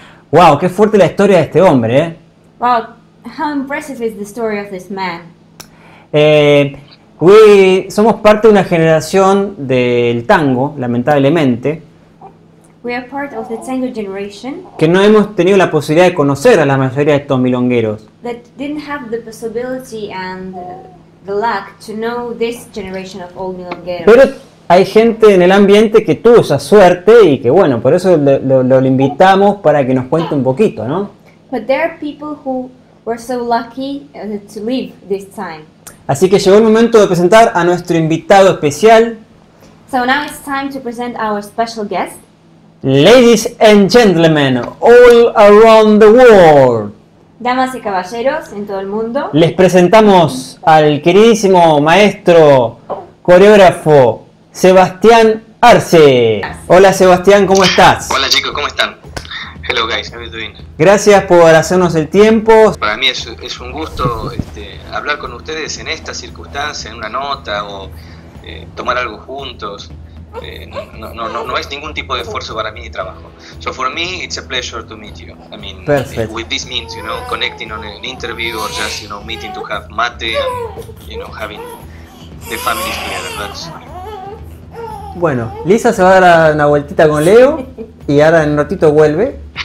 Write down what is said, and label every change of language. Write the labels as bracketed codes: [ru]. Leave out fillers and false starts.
[es] Wow, qué fuerte la historia de este hombre, ¿eh? [en] Wow, how impressive is the story of this man. [es] We somos parte de una generación del tango, lamentablemente. [en] We are part of the tango generation. [es] Que no hemos tenido la posibilidad de conocer a la mayoría de estos milongueros. [en] That didn't have the possibility and the luck to know this generation of old milongueros. [es] Pero hay gente en el ambiente que tuvo esa suerte y que bueno, por eso lo invitamos para que nos cuente un poquito, ¿no? [en] But there are people who were so lucky to live this time. [es] Así que llegó el momento de presentar a nuestro invitado especial. [en] So now it's time to present our special guest. Ladies and gentlemen, all around the world. [es] Damas y caballeros en todo el mundo. Les presentamos al queridísimo maestro coreógrafo Sebastián Arce. Hola Sebastián, ¿cómo estás? Hola chicos, ¿cómo están? [en] Hello guys, how are you doing? [es] Gracias por hacernos el tiempo. Para mí es un gusto hablar con ustedes en esta circunstancia, en una nota o tomar algo juntos. No es ningún tipo de esfuerzo para mí ni trabajo. [en] So for me it's a pleasure to meet you. I mean, perfect. With this means, you know, connecting on an interview or just, you know, meeting to have mate and, you know, having the families together. That's... [es] Bueno, Lisa se va a dar una vueltita con Leo y ahora en un ratito vuelve.